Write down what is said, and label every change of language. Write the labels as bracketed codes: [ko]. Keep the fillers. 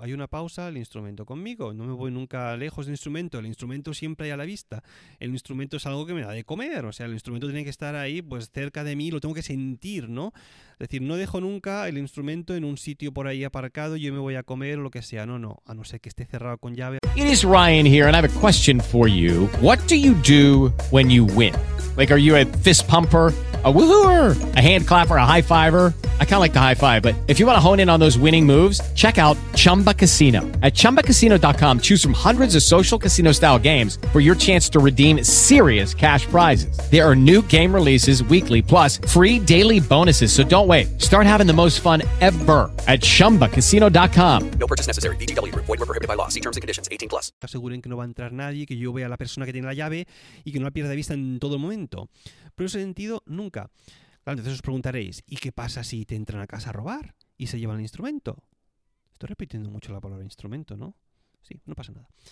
[es] Hay una pausa, el instrumento conmigo. No me voy nunca lejos del instrumento. El instrumento siempre hay a la vista. El instrumento es algo que me da de comer. O sea, el instrumento tiene que estar ahí, pues cerca de mí, lo tengo que sentir, ¿no? Es decir, no dejo nunca el instrumento en un sitio por ahí aparcado, yo me voy a comer o lo que sea. No, no. A no ser que esté cerrado con llave. [en] It is Ryan here, and I have a question for you. What do you do when you win? Like, are you a fist pumper, a woohooer, a hand clapper, a high fiver? I kind of like the high five, but if you want to hone in on those winning moves, check out Chumba Casino. At ChumbaCasino.com, choose from hundreds of social casino-style games for your chance to redeem serious cash prizes. There are new game releases weekly, plus free daily bonuses. So don't wait. Start having the most fun ever at ChumbaCasino.com. No purchase necessary. BGW. Void where prohibited by law. See terms and conditions. 18 plus. [es] Aseguren que no va a entrar nadie, que yo vea la persona que tiene la llave y que no la pierda de vista en todo momento. Pero en sentido, nunca. Claro, entonces os preguntaréis, ¿y qué pasa si te entran a casa a robar? y se lleva el instrumento. Estoy repitiendo mucho la palabra instrumento, ¿no? Sí, no pasa nada.